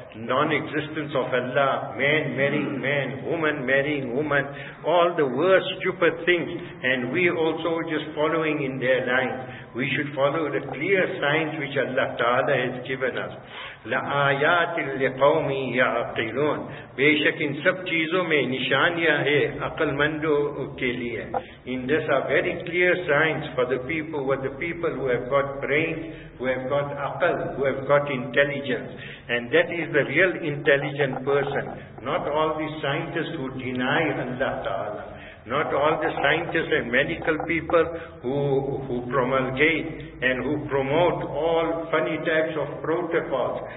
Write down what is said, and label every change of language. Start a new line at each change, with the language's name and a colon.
English: Non-existence of Allah, man marrying man, woman marrying woman, all the worst stupid things. And we also just following in their lines. We should follow the clear signs which Allah Ta'ala has given us.
Arabic: لَآيَاتٍ لِقَوْمِ يَعْقِلُونَ.
Urdu: بے شک ان سب چیزوں میں نشانیاں ہیں عقل مندوں کے لئے.
English: In this are very clear signs for the people, with the people who have got brains, who have got aqal, who have got intelligence. And that is the real intelligent person. Not all the scientists who deny Allah Ta'ala. Not all the scientists and medical people who promulgate and who promote all funny types of protocols.